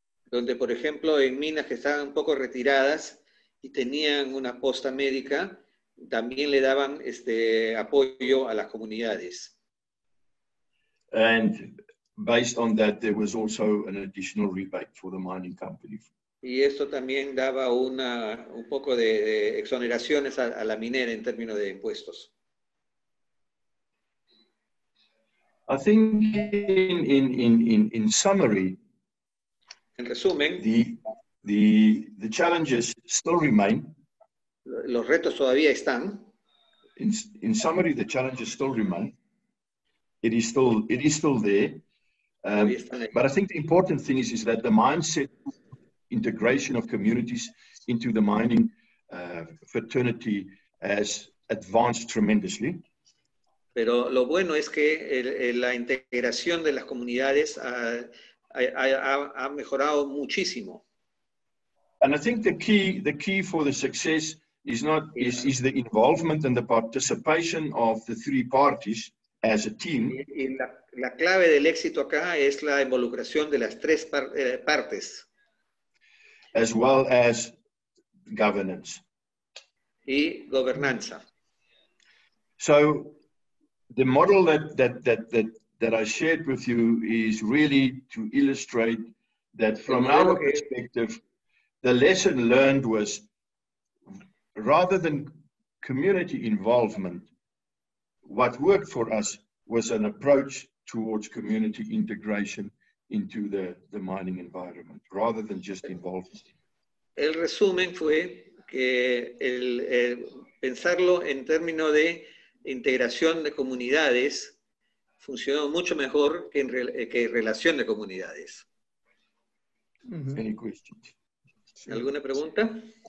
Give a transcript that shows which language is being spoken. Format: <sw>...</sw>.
<es>Donde, por ejemplo, en minas que estaban un poco retiradas y tenían una posta médica, también le daban apoyo a las comunidades.</es> <en>And based on that, there was also an additional rebate for the mining company.</en> <es>Y esto también daba un poco de exoneraciones a la minera en términos de impuestos.</es> <en>I think in summary,</en> <es>en resumen,</es> <en>the challenges still remain.</en> <es>Los retos todavía están.</es> <en>In summary, the challenges still remain. It is still there. But I think the important thing is that the mindset integration of communities into the mining fraternity has advanced tremendously.</en> <es>Pero lo bueno es que la integración de las comunidades ha mejorado muchísimo.</es> <en>And I think the key for the success is the involvement and the participation of the three parties as a team.</en> <es>Y la clave del éxito acá es la involucración de las tres partes.</es> <en>As well as governance.</en> <es>Y gobernanza.</es> <en>So the model that I shared with you is really to illustrate that from our perspective, the lesson learned was rather than community involvement, what worked for us was an approach towards community integration into the mining environment, rather than just involvement.</en> <es>El resumen fue que el pensarlo en términos de integración de comunidades funcionó mucho mejor que relación de comunidades.</es> <en>Mm-hmm. Any questions?</en> <es>¿Alguna pregunta?</es>